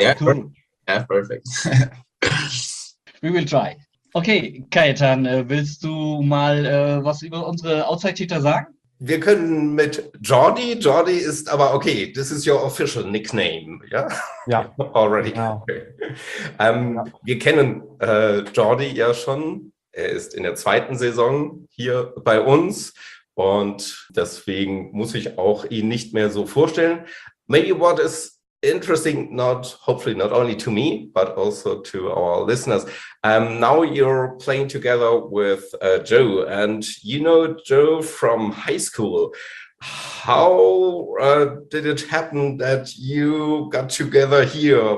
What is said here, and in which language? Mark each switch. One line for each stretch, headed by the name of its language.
English: Yeah, perfect. We will try.
German: Okay, Kaetan, willst du mal was über unsere Outside-Hitter sagen? Wir können mit Jordi. Jordi ist aber okay.
English: This is your official nickname,
German: ja? Ja.
English: Already.
German: Genau.
English: Okay.
German: Wir kennen Jordi ja schon. Er ist in der zweiten Saison hier bei uns. Und deswegen muss ich auch ihn nicht mehr so vorstellen.
English: Maybe what is interesting, hopefully not only to me, but also to our listeners. Now you're playing together with Joe, and you know Joe from high school. How did it happen that you got together here?